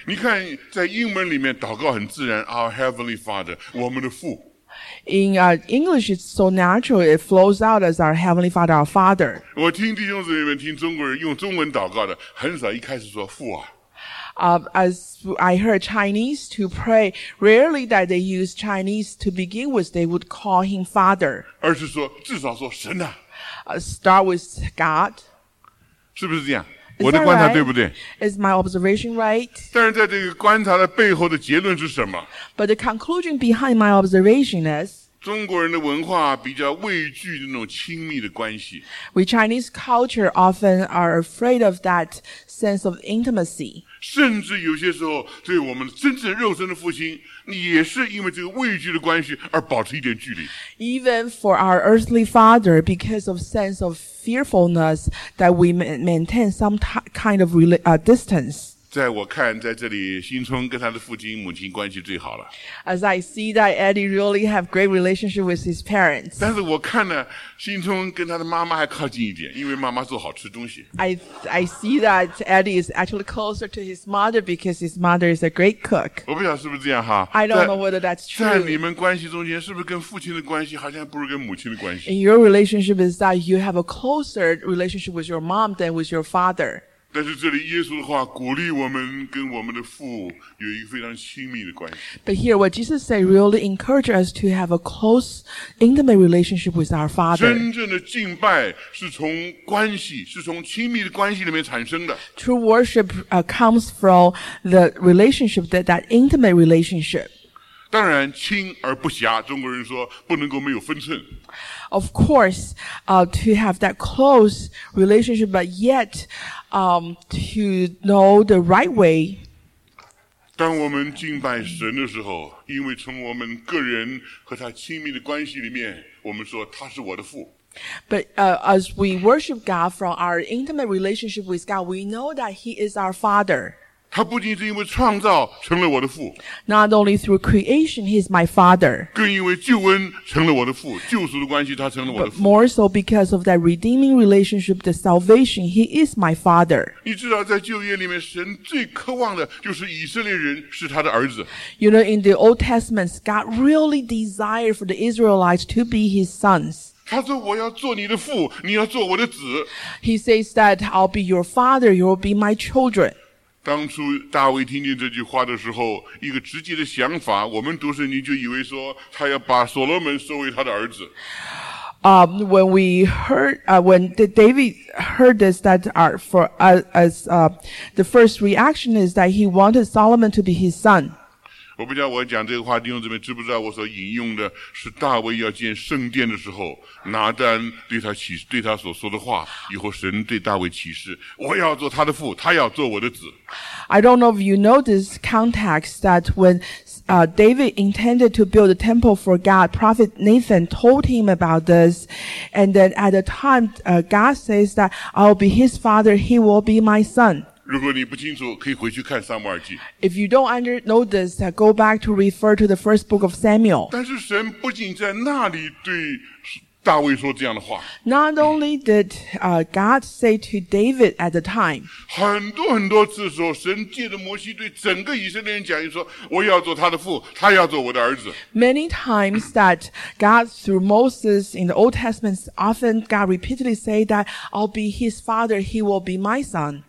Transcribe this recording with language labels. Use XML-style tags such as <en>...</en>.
<zh>你看，在英文里面祷告很自然 ，</zh> <en>Our Heavenly Father，</en> <zh>我们的父。</zh> <en>In English, it's so natural, it flows out as our Heavenly Father, our Father.</en> <zh>我听弟兄姊妹们听中国人用中文祷告的，很少一开始说父啊。</zh> <en>As I heard Chinese to pray, rarely that they use Chinese to begin with, they would call him Father.</en> <zh>而是说，至少说神啊。</zh> <en>Start with God.</en> <zh>是不是这样？</zh> <en>Is that</en> <zh>我的观察、</zh> <en>right?</en> <zh>对不对？</zh> <en>Is my observation right?</en> <zh>但是在这个观察的背后的结论是什么？</zh> <en>But the conclusion behind my observation is,</en> <zh>中国人的文化比较畏惧那种亲密的关系。</zh> <en>We Chinese culture often are afraid of that sense of intimacy.</en> <zh>甚至有些时候对我们真正肉身的父亲也是因为这个畏惧的关系而保持一点距离。</zh> <en>Even for our earthly father, because of sense of fearfulness that we maintain some kind of distance.</en> <zh>在我看在这里新聪跟他的父亲母亲关系最好了。</zh> <en>As I see that Eddie really have great relationship with his parents.</en> <zh>但是我看呢新聪跟他的妈妈还靠近一点，因为妈妈做好吃东西。</zh> <en>I see that Eddie is actually closer to his mother because his mother is a great cook.</en> <zh>我不晓得是不是这样哈。</zh> <en>I don't know whether that's true.</en> <zh>在你们关系中间，是不是跟父亲的关系好像不如跟母亲的关系</zh> <en>？In your relationship, is that you have a closer relationship with your mom than with your father?</en> <zh>但是这里耶稣的话鼓励我们跟我们的父有一个非常亲密的关系。</zh> <en>But here, what Jesus said really encourages us to have a close, intimate relationship with our Father.</en> <zh>真正的敬拜是从关系，是从亲密的关系里面产生的。</zh> <en>True worship comes from the relationship, that intimate relationship.</en> <zh>当然，亲而不暇，中国人说不能够没有分寸。</zh> <en>Of course, to have that close relationship, but yet, to know the right way.</en> <zh>当我们敬拜神的时候，因为从我们个人和他亲密的关系里面，我们说他是我的父。</zh> <en>But as we worship God from our intimate relationship with God, we know that He is our Father.</en> <zh>他不仅是因为创造成了我的父。</zh> <en>Not only through creation, He is my Father.</en> <zh>更因为救恩成了我的父，救赎的关系，他成了我的父。</zh> <en>But more so because of that redeeming relationship, the salvation, He is my Father.</en> <zh>你知道在旧约里面，神最渴望的就是以色列人是他的儿子。</zh> <en>You know, in the Old Testament, God really desired for the Israelites to be His sons.</en> <zh>他说我要做你的父，你要做我的子。</zh> <en>He says that I'll be your father, you'll be my children.</en> <zh>当初大卫听见这句话的时候，一个直接的想法，我们读圣经就以为说他要把所罗门收为他的儿子。</zh> <en>When we heard, when David heard this, that for us, as the first reaction is that he wanted Solomon to be his son.</en> <zh>我不知道我讲这个话弟兄姊妹知不知道我所引用的是大卫要建圣殿的时候拿单对他启示对他所说的话以后神对大卫启示我要做他的父他要做我的子。</zh> <en>I don't know if you know this context that when, David intended to build a temple for God, Prophet Nathan told him about this. And then at the time, God says that I'll be his father, he will be my son.</en> <zh>如果你不清楚可以回去看撒母耳记。</zh> <en>If you don't know this, go back to refer to the first book of Samuel.</en> <zh>但是神不仅在那里对大卫说这样的话。</zh> <en>Not only did God say to David at the time,</en> <zh>很多很多次的时候神借着摩西对整个以色列人讲，说我要做他的父，他要做我的儿子。</zh> <en>Many times that God through Moses in the Old Testament, often God repeatedly say that I'll be his father, he will be my son.</en>